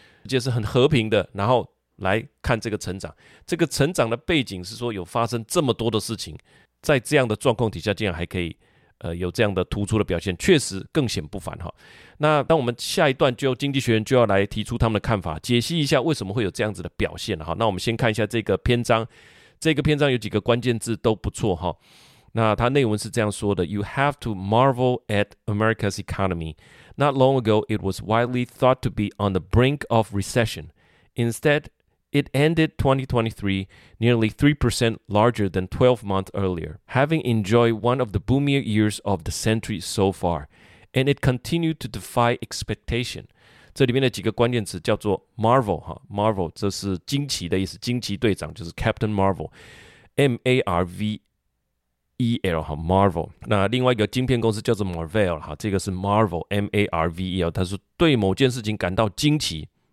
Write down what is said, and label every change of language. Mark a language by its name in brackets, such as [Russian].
[Chinese] 就是很和平的，然后来看这个成长，这个成长的背景是说有发生这么多的事情，在这样的状况底下竟然还可以有这样的突出的表现，确实更显不凡。那当我们下一段就经济学人就要来提出他们的看法，解析一下为什么会有这样子的表现。那我们先看一下这个篇章，这个篇章有几个关键字都不错。那它内文是这样说的， [English] You have to marvel at America's economy. Not long ago, it was widely thought to be on the brink of recession. Instead, it ended 2023 nearly 3% larger than 12 months earlier, having enjoyed one of the boomier years of the century so far, and it continued to defy expectation. [Chinese] 这里面的几个关键词叫做 Marvel， Marvel 这是惊奇的意思，惊奇队长就是 Captain Marvel， M-A-R-V-E-L， Marvel。那另外一个晶片公司叫做 Marvel， 这个是 Marvel， M-A-R-V-E-L， 它是对某件事情感到惊奇。